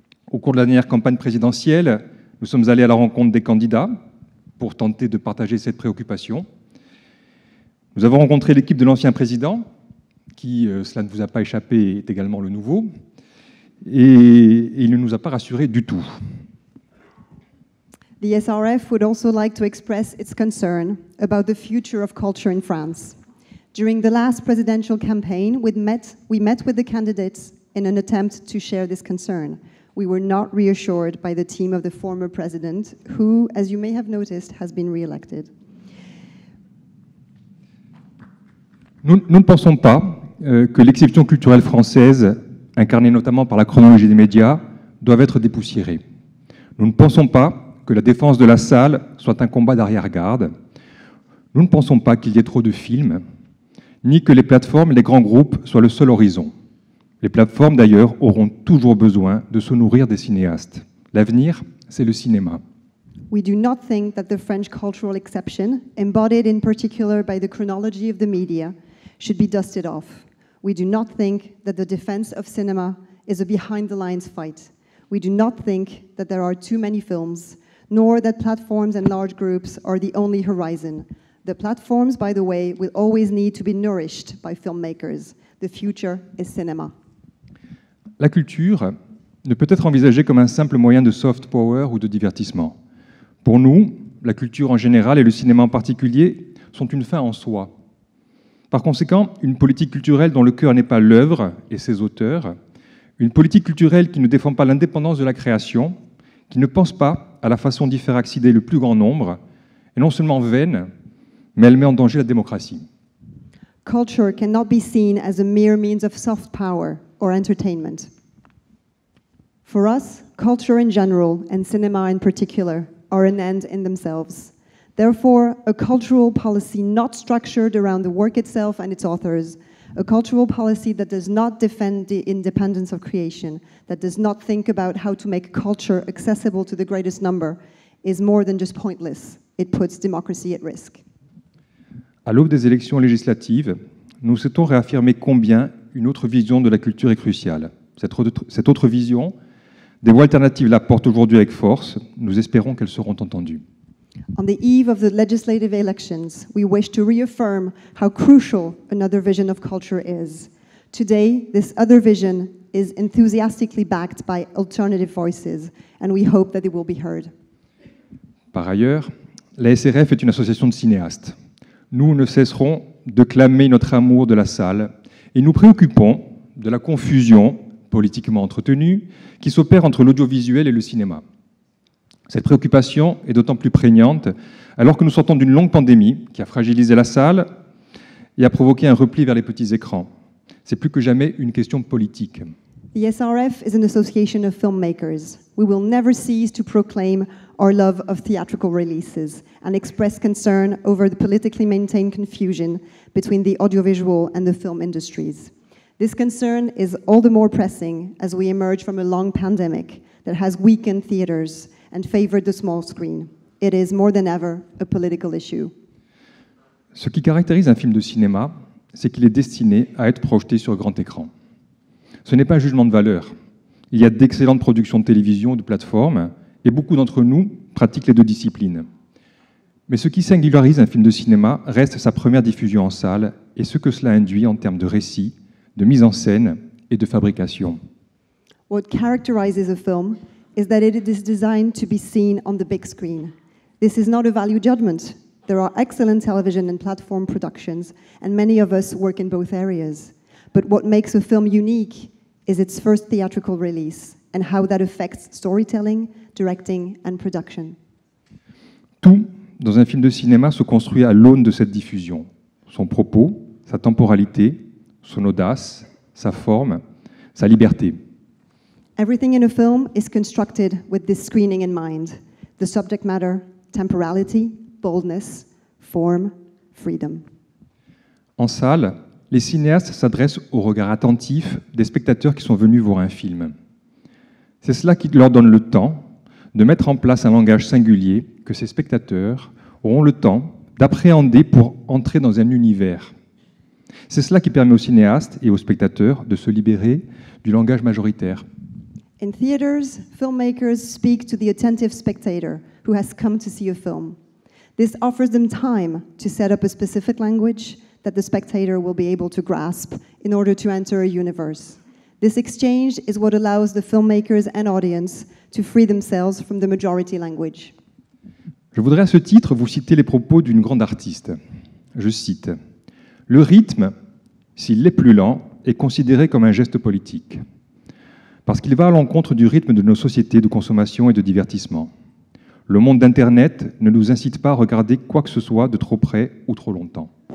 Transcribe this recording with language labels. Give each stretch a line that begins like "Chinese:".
French: Au cours de la dernière campagne présidentielle, nous sommes allés à la rencontre des candidats pour tenter de partager cette préoccupation. Nous avons rencontré l'équipe de l'ancien président, qui, cela ne vous a pas échappé, est également le nouveau, et il ne nous a pas rassurés du tout.
English: The SRF would also like to express its concern about the future of culture in France. During the last presidential campaign, we met with the candidates in an attempt to share this concern. We were not reassured by the team of the former president, who, as you may have noticed, has been re-elected.
French: Nous ne pensons pas que l'exception culturelle française, incarnée notamment par la chronologie des médias, doit être dépoussiérée. Nous ne pensons pas que la défense de la salle soit un combat d'arrière-garde. Nous ne pensons pas qu'il y ait trop de films, ni que les plateformes, les grands groupes, soient le seul horizon. Les plateformes, d'ailleurs, auront toujours besoin de se nourrir des cinéastes. L'avenir, c'est le cinéma.
English: We do not think that the French cultural exception, embodied in particular by the chronology of the media, should be dusted off. We do not think that the defense of cinema is a behind-the-lines fight. We do not think that there are too many films, nor that platforms and large groups are the only horizon. The platforms, by the way, will always need to be nourished by filmmakers. The future is cinema.
French: La culture ne peut être envisagée comme un simple moyen de soft power ou de divertissement. Pour nous, la culture en général et le cinéma en particulier sont une fin en soi. Par conséquent, une politique culturelle dont le cœur n'est pas l'œuvre et ses auteurs, une politique culturelle qui ne défend pas l'indépendance de la création, qui ne pense pas à la façon d'y faire accéder le plus grand nombre, est non seulement vaine, mais elle met en danger la démocratie.
English: Culture cannot be seen as a mere means of soft power or entertainment. For us, culture in general and cinema in particular are an end in themselves. Therefore, a cultural policy not structured around the work itself and its authors, a cultural policy that does not defend the independence of creation, that does not think about how to make culture accessible to the greatest number, is more than just pointless. It puts democracy at risk.
French: À l'aube des élections législatives, nous souhaitons réaffirmer combien une autre vision de la culture est cruciale. Cette autre vision, des voix alternatives la portent aujourd'hui avec force. Nous espérons qu'elles seront entendues.
English: On the eve of the legislative elections, we wish to reaffirm how crucial another vision of culture is. Today, this other vision is enthusiastically backed by alternative voices, and we hope that it will be heard.
French: Par ailleurs, la SRF est une association de cinéastes. Nous ne cesserons de clamer notre amour de la salle et nous préoccupons de la confusion politiquement entretenue qui s'opère entre l'audiovisuel et le cinéma. Cette préoccupation est d'autant plus prégnante alors que nous sortons d'une longue pandémie qui a fragilisé la salle et a provoqué un repli vers les petits écrans. C'est plus que jamais une question politique.
English: The SRF is an association of filmmakers. We will never cease to proclaim our love of theatrical releases and express concern over the politically maintained confusion between the audiovisual and the film industries. This concern is all the more pressing as we emerge from a long pandemic that has weakened theaters and favored the small screen. It is more than ever a political issue.
French: Ce qui caractérise un film de cinéma, c'est qu'il est destiné à être projeté sur grand écran. Ce n'est pas un jugement de valeur. Il y a d'excellentes productions de télévision ou de plateforme, et beaucoup d'entre nous pratiquent les deux disciplines. Mais ce qui singularise un film de cinéma reste sa première diffusion en salle et ce que cela induit en termes de récit, de mise en scène et de fabrication.
English: What characterizes a film is that it is designed to be seen on the big screen. This is not a value judgment. There are excellent television and platform productions, and many of us work in both areas. But what makes a film unique is its first theatrical release and how that affects storytelling, directing and production.
French: Tout dans un film de cinéma se construit à l'aune de cette diffusion. Son propos, sa temporalité, son audace, sa forme, sa liberté.
English: Everything in a film is constructed with this screening in mind. The subject matter, temporality, boldness, form, freedom.
French: En salle, les cinéastes s'adressent au regard attentif des spectateurs qui sont venus voir un film. C'est cela qui leur donne le temps de mettre en place un langage singulier que ces spectateurs auront le temps d'appréhender pour entrer dans un univers. C'est cela qui permet aux cinéastes et aux spectateurs de se libérer du langage majoritaire.
English: In theaters, filmmakers speak to the attentive spectator who has come to see a film. This offers them time to set up a specific language that the spectator will be able to grasp in order to enter a universe. This exchange is what allows the filmmakers and audience to free themselves from the majority language.
French: Je voudrais à ce titre vous citer les propos d'une grande artiste. Je cite: le rythme, s'il est plus lent, est considéré comme un geste politique, parce qu'il va à l'encontre du rythme de nos sociétés de consommation et de divertissement. Le monde d'Internet ne nous incite pas à regarder quoi que ce soit de trop près ou trop longtemps.